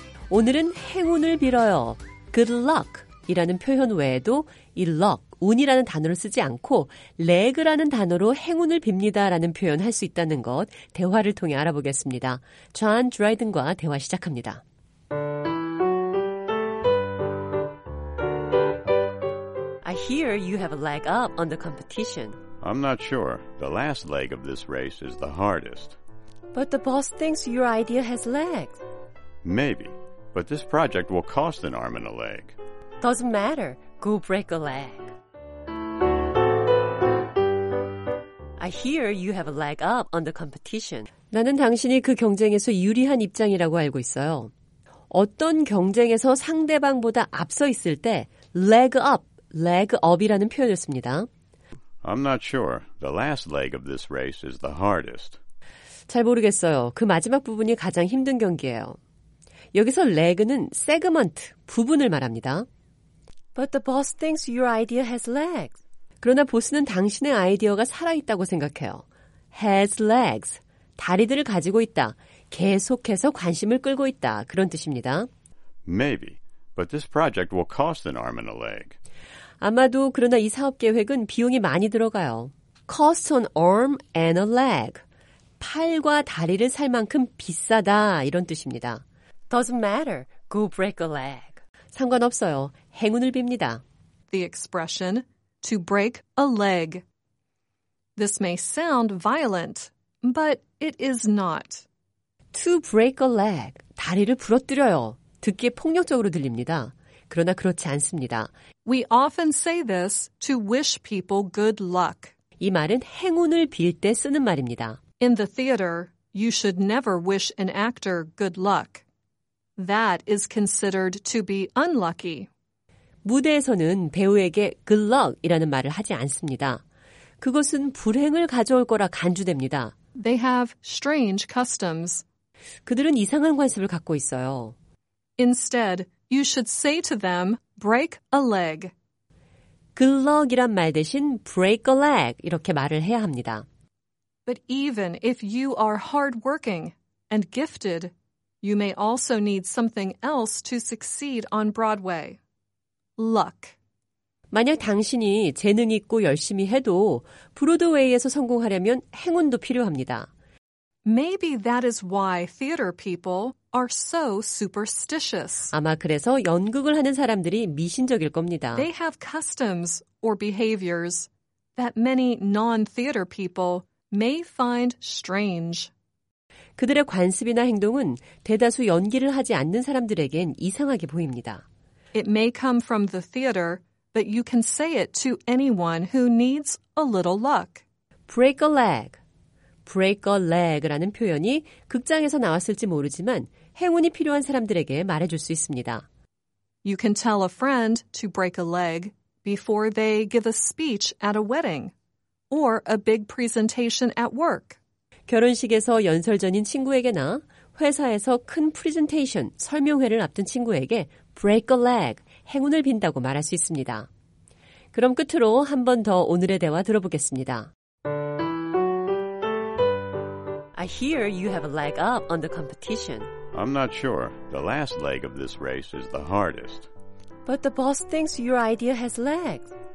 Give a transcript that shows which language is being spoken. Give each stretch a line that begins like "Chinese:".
Korean: 오늘은 행운을 빌어요.
English: Good luck
Korean: 이라는 표현 외에도 이 luck, 운이라는 단어를 쓰지 않고 leg라는 단어로 행운을 빕니다 라는 표현 할 수 있다는 것 대화를 통해 알아보겠습니다. 존 드라이든과 대화 시작합니다.
English: I hear you have a leg up on the competition. I'm not sure. The last leg of this race is the hardest. But the boss thinks your idea has legs. Maybe. But this project will cost an arm and a leg. Doesn't matter. Go break a leg. I hear you have a leg up on the competition.
Korean: 나는 당신이 그 경쟁에서 유리한 입장이라고 알고 있어요. 어떤 경쟁에서 상대방보다 앞서 있을 때 leg up이라는 표현을 씁니다.
English: I'm not sure. The last leg of this race is the hardest.
Korean: 잘 모르겠어요. 그 마지막 부분이 가장 힘든 경기예요. 여기서 leg는 segment, 부분을 말합니다.
English: But the boss thinks your idea has legs.
Korean: 그러나 보스는 당신의 아이디어가 살아있다고 생각해요.
English: Has legs.
Korean: 다리들을 가지고 있다. 계속해서 관심을 끌고 있다. 그런 뜻입니다.
English: Maybe. But this project will cost an arm and a leg.
Korean: 아마도 그러나 이 사업 계획은 비용이 많이 들어가요.
English: Cost an arm and a leg.
Korean: 팔과 다리를 살 만큼 비싸다. 이런 뜻입니다. Doesn't matter. Go break a leg. 상관없어요. 행운을 빕니다.
English: The expression to break a leg. This may sound violent, but it is not. To break a leg.
Korean: 다리를 부러뜨려요. 듣기에 폭력적으로 들립니다. 그러나 그렇지 않습니다.
English: We often say this to wish people good luck.
Korean: 이 말은 행운을 빌 때 쓰는 말입니다.
English: In the theater, you should never wish an actor good luck. That is considered to be unlucky.
Korean: 무대에서는 배우에게
English: good luck
Korean: 이라는 말을 하지 않습니다. 그것은 불행을 가져올 거라 간주됩니다.
English: They have strange customs.
Korean: 그들은 이상한 관습을 갖고 있어요.
English: Instead, you should say to them, break a leg. Good luck
Korean: 이란 말 대신
English: break a leg
Korean: 이렇게 말을 해야 합니다.
English: But even if you are hardworking and gifted, you may also need something else to succeed on Broadway. Luck.
Korean: 만약 당신이 재능 있고 열심히 해도 브로드웨이에서 성공하려면 행운도 필요합니다.
English: Maybe that is why theater people are so superstitious.
Korean: 아마 그래서 연극을 하는 사람들이 미신적일 겁니다.
English: They have customs or behaviors that many non-theater people may find strange.
Korean: 그들의 관습이나 행동은 대다수 연기를 하지 않는 사람들에겐 이상하게 보입니다.
English: It may come from the theater, but you can say it to anyone who needs a little luck. Break a leg. Break a leg
Korean: 라는 표현이 극장에서 나왔을지 모르지만 행운이 필요한 사람들에게 말해줄 수 있습니다.
English: You can tell a friend to break a leg before they give a speech at a wedding or a big presentation at work.
Korean: 결혼식에서 연설 전인 친구에게나 회사에서 큰 프레젠테이션, 설명회를 앞둔 친구에게
English: break a leg,
Korean: 행운을 빈다고 말할 수 있습니다. 그럼 끝으로 한 번 더 오늘의 대화 들어보겠습니다.
English: I hear you have a leg up on the competition. I'm not sure. The last leg of this race is the hardest. But the boss thinks your idea has legs.